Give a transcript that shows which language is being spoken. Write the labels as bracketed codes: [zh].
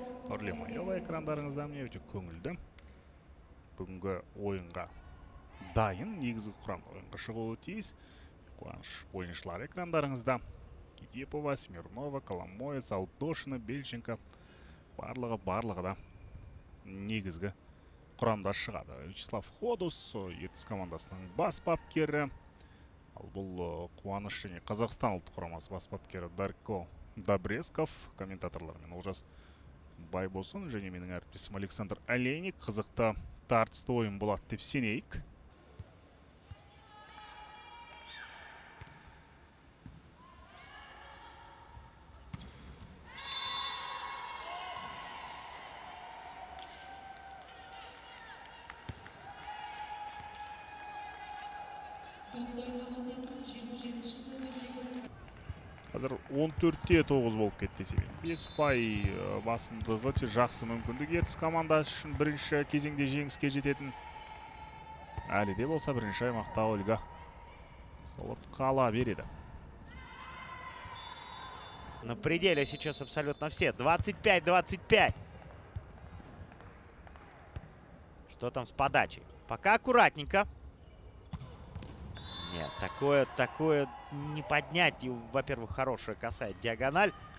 [kk] Орли Майова экрандарыңызда мне өте көңілді. Бүгінгі ойынға дайын, негізгі құрам ойынға шығуы тиіс. Қуаныш ойыншылар экрандарыңызда. Кипова, Смирнова, Коломойец, Алдошина, Бельченко. Барлығы да негізгі құрамда шығады. Вячеслав Ходос, Ертіс командасының бас бапкері. Ал бұл Қуаныш және Қазақстан ұлттық құрамасы бас бапкері Дарко Добресков. Комментаторлармен Олжас Байбосын және менің әріптесім Александр Олейник. Қызықты тартысты ойын болады деп сенейік. Қазір 14-те 9 болып кетті себе. 5% басымдығы өте жақсы мүмкіндік Ертіс командасы үшін бірінші кезеңде жеңіске жететін. Әлі де болса бірінші аймақта Ольга Солод қала береді. [ru] На пределе сейчас абсолютно все. 25-25. Что там с подачей? Пока аккуратненько. Нет, такое не поднять. И, во-первых, хорошая косая диагональ.